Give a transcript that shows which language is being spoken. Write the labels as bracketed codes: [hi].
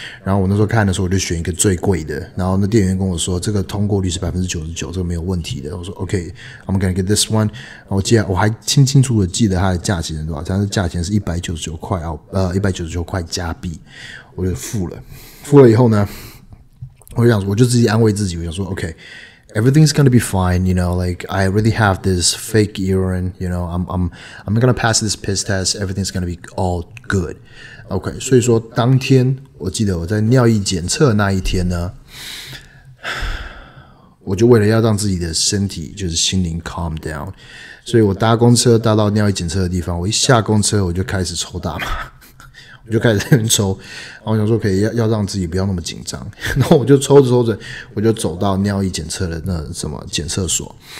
[zh] 然后我那时候看的时候，我就选一个最贵的。然后那店员跟我说，这个通过率是 99%， 这个没有问题的。我说 [en] OK， I'm gonna get this one。 [zh] 然后我还清清楚楚记得它的价钱是多少，但是价钱是199块加币，我就付了。付了以后呢，我就想说，我就自己安慰自己，我想说 OK。 [en] Everything's gonna be fine, you know. Like I already have this fake urine, you know. I'm gonna pass this piss test. Everything's gonna be all good. Okay. [zh] 所以说当天，我记得我在尿液检测那一天呢，我就为了要让自己的身体就是心灵 [en] calm down， [zh] 所以我搭公车搭到尿液检测的地方，我一下公车我就开始抽大麻，我就开始在那边抽，然后我想说可以 要让自己不要那么紧张，然后我就抽着抽着我就走到尿液检测的那什么检测所，